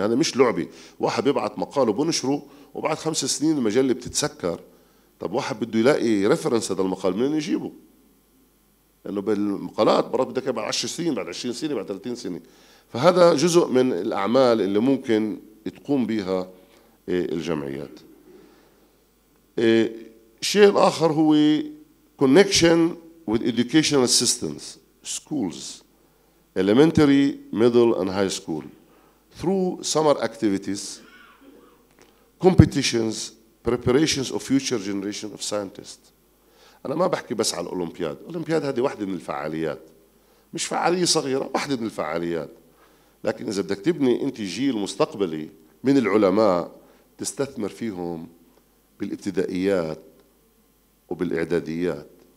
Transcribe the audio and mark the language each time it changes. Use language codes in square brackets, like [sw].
[ar] يعني هذا مش لعبه، واحد بيبعث مقال وبنشره وبعد 5 سنين المجله بتتسكر، طب واحد بده يلاقي ريفرنس هذا المقال منين يجيبه؟ لأنه بالمقالات برات بدك بعد 10 سنين، بعد 20 سنة، بعد 30 سنة. فهذا جزء من الأعمال اللي ممكن تقوم بها الجمعيات. الشيء الآخر هو [en] connection with educational systems, schools, elementary, middle and high school, through summer activities, competitions, preparations of future generation of scientists. [ar] أنا ما بحكي بس على الأولمبياد، الأولمبياد هذه واحدة من الفعاليات، مش فعالية صغيرة، واحدة من الفعاليات. لكن إذا بدك تبني أنت جيل مستقبلي من العلماء، تستثمر فيهم بالابتدائيات وبالإعداديات،